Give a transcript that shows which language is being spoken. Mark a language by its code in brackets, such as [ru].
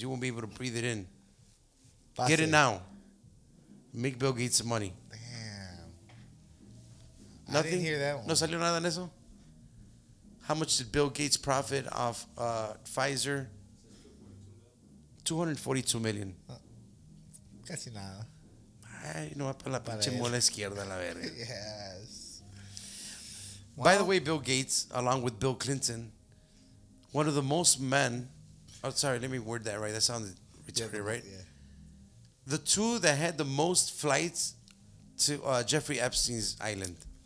[en] You won't be able to breathe it in. Passive. Get it now. Make Bill Gates some money. Damn. Nothing? I didn't hear that one. [es] No salió nada en eso? [en] How much did Bill Gates profit off Pfizer? $242 million. [es] Casi nada. Ay, no va para la pinche mola izquierda, la verga. [en] Yes. Wow. By the way, Bill Gates, along with Bill Clinton, one of the most men... Oh, sorry, let me word that right. That sounded retarded, right? Yeah. The two that had the most flights to Jeffrey Epstein's island.